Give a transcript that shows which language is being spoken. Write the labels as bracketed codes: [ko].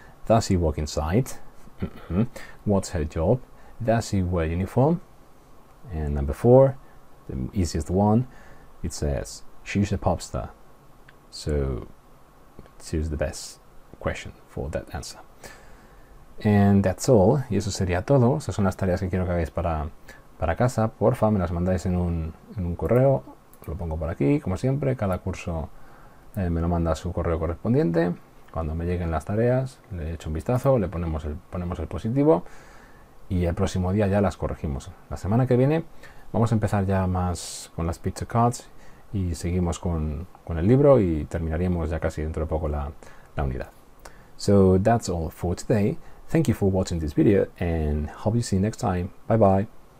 [en] Does she work inside? What's her job? Does she wear uniform? And number four, the easiest one, it says she's a pop star. So choose the best question for that answer. And that's all. [es] Y eso sería todo. Esas son las tareas que quiero que hagáis para casa. Porfa, me las mandáis en un correo. Lo pongo por aquí, como siempre. Cada curso me lo manda a su correo correspondiente. Cuando me lleguen las tareas, le echo un vistazo, le ponemos el positivo. Y el próximo día ya las corregimos. La semana que viene vamos a empezar ya más con las picture cards. Y seguimos con el libro y terminaríamos ya casi dentro de poco la unidad. [en] So that's all for today. Thank you for watching this video and hope you see you next time. Bye bye.